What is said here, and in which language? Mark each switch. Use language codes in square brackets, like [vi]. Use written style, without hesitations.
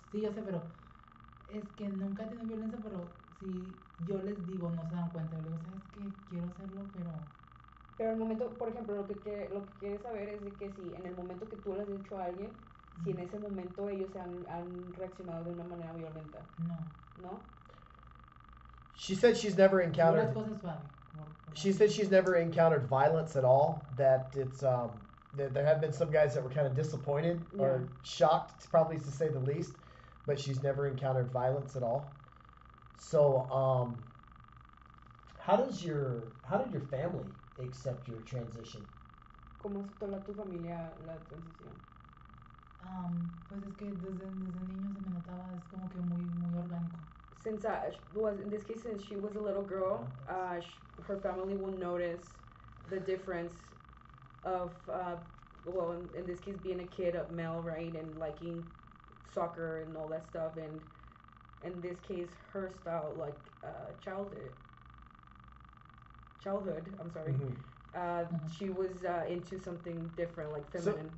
[es] sí, yo sé, pero es que nunca he tenido violencia, pero si yo les digo, no se dan cuenta. Yo digo, ¿sabes qué? Quiero hacerlo, pero... Pero el momento, por ejemplo, lo que quieres saber es de que si en el momento que tú le has dicho a alguien, si en ese momento ellos se han reaccionado de una manera violenta. No. ¿No? [en] She said she's never encountered... [es] Una cosa suave. [en] She said she's never encountered violence at all, that it's, there have been some guys that were kind of disappointed or shocked, probably to say the least, but she's never encountered violence at all. So, how did your family accept your transition? [es] ¿Cómo aceptó tu familia la transición? Pues es que desde niño se me notaba, es como que muy, muy orgánico. [en] Since since she was a little girl, her family will notice the difference of, in this case, being a kid, a male, right, and liking soccer and all that stuff, and in this case, her style, like, childhood, I'm sorry, she was into something different, like feminine.